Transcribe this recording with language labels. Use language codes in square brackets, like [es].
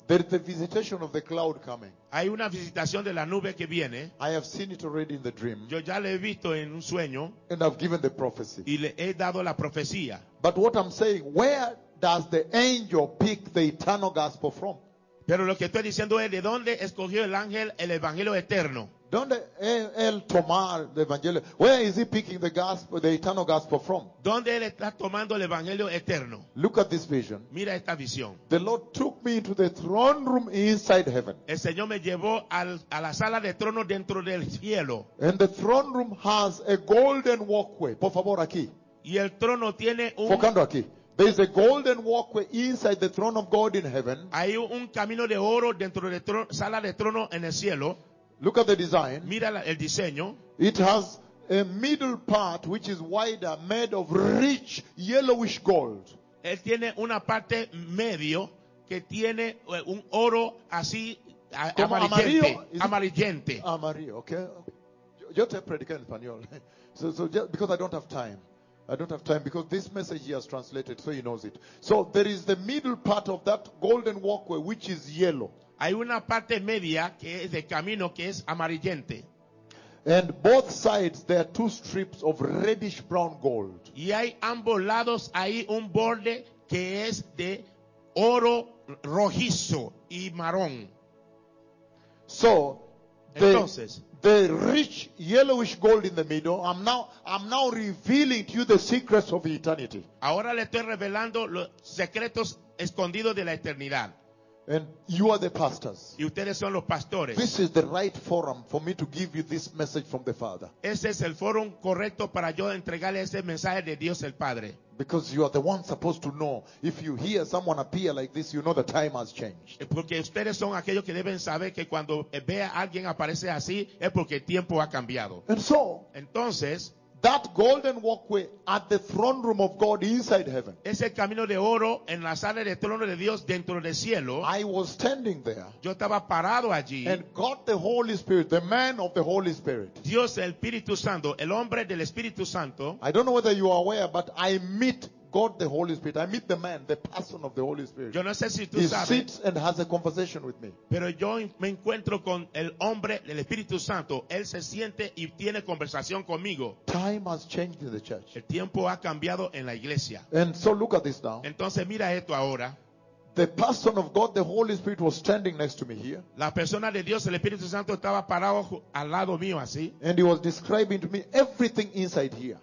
[en] There is a visitation of the cloud coming. [es] Hay una visitación de la nube que viene. [en] I have seen it already in the dream. [es] Yo ya le he visto en un sueño. [en] And I've given the prophecy. [es] Y le he dado la profecía. [en] But what I'm saying, where does the angel pick the eternal gospel from? [es] Pero lo que estoy diciendo es, ¿de dónde escogió el ángel el evangelio eterno? ¿Dónde él toma el evangelio? [en] Where is he picking the gospel, the eternal gospel from? [es] ¿Dónde él está tomando el evangelio eterno? [en] Look at this vision. [es] Mira esta visión. [en] The Lord took me into the throne room inside heaven. [es] El Señor me llevó a la sala de trono dentro del cielo. [en] And the throne room has a golden walkway. [es] Por favor, aquí. Y el trono tiene un... Focando aquí. [en] There is a golden walkway inside the throne of God in heaven. [es] Hay un camino de oro dentro de sala de trono en el cielo. [en] Look at the design. [es] Mira el diseño. [en] It has a middle part which is wider, made of rich yellowish gold. [es] Él tiene una parte medio que tiene un oro así amarillente. Amarillo, okay. Yo te predico en español. [en] So just because I don't have time because this message he has translated, so he knows it. So there is the middle part of that golden walkway which is yellow. [es] Hay una parte media que es de camino que es amarillente. [en] And both sides there are two strips of reddish brown gold. [es] Y hay ambos lados ahí un borde que es de oro rojizo y marrón. [en] So [es] entonces, [en] the rich yellowish gold in the middle, I'm now revealing to you the secrets of eternity. [es] Ahora le estoy revelando los secretos escondidos de la eternidad. [en] And you are the pastors. [es] Y ustedes son los pastores. [en] This is the right forum for me to give you this message from the Father. [es] Ese es el foro correcto para yo entregarle ese mensaje de Dios el Padre. [en] Because you are the one supposed to know. If you hear someone appear like this, you know the time has changed. [es] Porque ustedes son aquellos que deben saber que cuando vea alguien aparece así es porque el tiempo ha cambiado. [en] And so, [es] entonces, [en] that golden walkway at the throne room of God inside heaven. [es] Ese camino de oro en la sala de trono de Dios dentro del cielo. [en] I was standing there. [es] Yo estaba parado allí. [en] And God the Holy Spirit, the man of the Holy Spirit. [es] Dios el Espíritu Santo, el hombre del Espíritu Santo. [en] I don't know whether you are aware, but I meet God the Holy Spirit. I meet the man, the person of the Holy Spirit. [es] Yo no sé si tú [en] he [es] sabes, [en] sits and has a conversation with me. [es] Pero yo me encuentro con el hombre, el Espíritu Santo. Él se siente y tiene conversación conmigo. [en] Time has changed in the church. [es] El tiempo ha cambiado en la iglesia. [en] And so look at this now. [es] Entonces mira esto ahora. [en] The person of God, the Holy Spirit, was standing next to me here. [es] La persona de Dios, el Espíritu Santo, estaba parado al lado mío así. [en] And he was describing to me everything inside here.